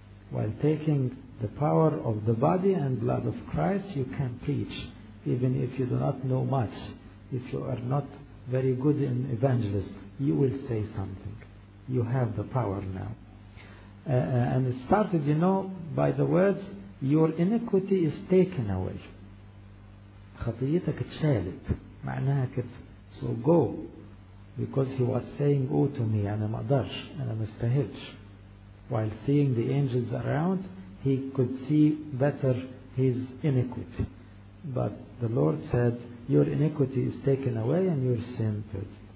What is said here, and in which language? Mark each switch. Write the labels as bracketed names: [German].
[English] While taking the power of the body and blood of Christ, you can preach, even if you do not know much. If you are not very good in evangelist, you will say something. You have the power now. And it started, you know, by the words, your iniquity is taken away. [Arabic] خطيتك اتشالت معناها كده. [English] So go, because he was saying, oh to me, [Arabic] أنا مقدرش, أنا مستهلش. [English] While seeing the angels around, he could see better his iniquity. But the Lord said, your iniquity is taken away and your sin too.